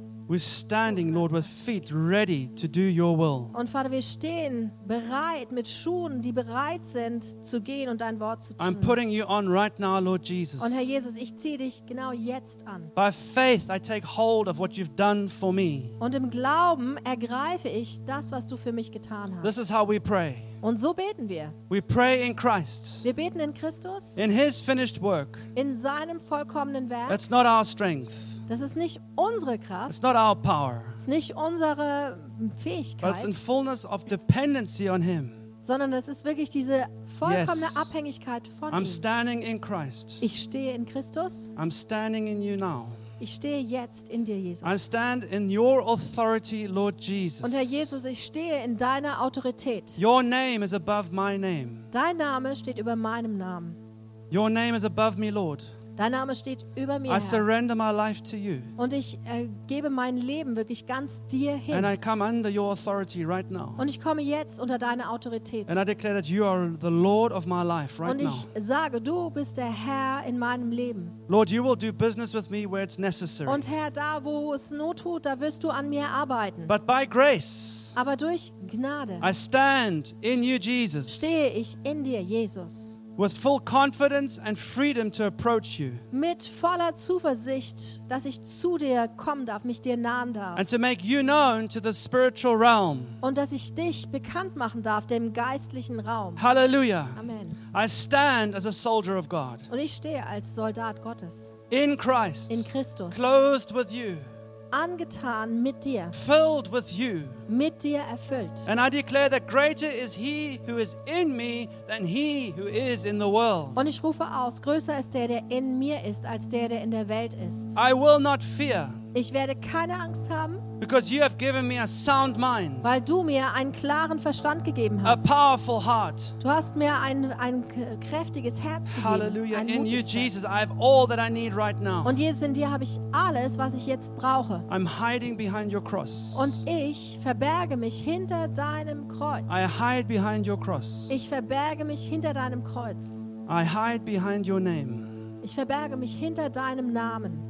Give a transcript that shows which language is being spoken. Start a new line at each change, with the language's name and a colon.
English: We're standing, Lord, with feet ready to do your will.
German: Und Vater, wir stehen bereit mit Schuhen, die bereit sind zu gehen und dein Wort zu tun.
English: I'm putting you on right now, Lord Jesus.
German: Und Herr Jesus, ich ziehe dich genau jetzt an.
English: By faith I take hold of what you've done for me.
German: Und im Glauben ergreife ich das, was du für mich getan hast.
English: This is how we pray.
German: Und so beten wir.
English: We pray in Christ.
German: Wir beten in Christus.
English: In his finished work.
German: In seinem vollkommenen Werk.
English: That's not our strength.
German: Das ist nicht unsere Kraft.
English: It's not our power.
German: Es ist nicht unsere Fähigkeit.
English: But it's in fullness of dependency on him.
German: Sondern es ist wirklich diese vollkommene Abhängigkeit von ihm.
English: I'm standing in Christ.
German: Ich stehe in Christus.
English: I'm standing in you now.
German: Ich stehe jetzt in dir, Jesus.
English: I stand in your authority, Lord Jesus.
German: Und Herr Jesus, ich stehe in deiner Autorität.
English: Your name is above my name.
German: Dein Name steht über meinem Namen.
English: Your name is above me, Lord.
German: Dein Name steht über mir,
English: I surrender my life to you.
German: Und ich gebe mein Leben wirklich ganz dir hin.
English: And I come under your authority right now.
German: Und ich komme jetzt unter deine Autorität.
English: And I declare that you are the Lord of my life right now.
German: Und ich sage, du bist der Herr in meinem Leben.
English: Lord, you will do business with me where it's necessary.
German: Und Herr, da wo es Not tut, da wirst du an mir arbeiten.
English: But by grace.
German: Aber durch Gnade.
English: I stand in you, Jesus.
German: Stehe ich in dir, Jesus.
English: With full confidence and freedom to approach you.
German: Mit voller Zuversicht, dass ich zu dir kommen darf, mich dir nahen darf.
English: And to make you known to the spiritual realm.
German: Und dass ich dich bekannt machen darf dem geistlichen Raum. Hallelujah. Amen.
English: I stand as a soldier of God.
German: Und ich stehe als Soldat Gottes.
English: In Christ.
German: In Christus.
English: Clothed with you.
German: Angetan mit dir.
English: Filled with you.
German: Mit dir erfüllt.
English: And I declare that greater is he who is in me than he who is in the world.
German: Und ich rufe aus, größer ist der, der in mir ist, als der, der in der Welt ist.
English: I will not fear.
German: Ich werde keine Angst haben.
English: Because you have given me a sound mind.
German: Weil du mir einen klaren Verstand gegeben hast.
English: A powerful heart.
German: Du hast mir ein kräftiges Herz gegeben. Hallelujah. Ein
English: in you, Jesus, I have all that I need right now.
German: Und Jesus, in dir habe ich alles, was ich jetzt brauche.
English: I'm hiding behind your cross.
German: Und ich verberge mich hinter deinem Kreuz.
English: I hide behind your cross.
German: Ich verberge mich hinter deinem Kreuz.
English: I hide behind your name.
German: Ich verberge mich hinter deinem Namen.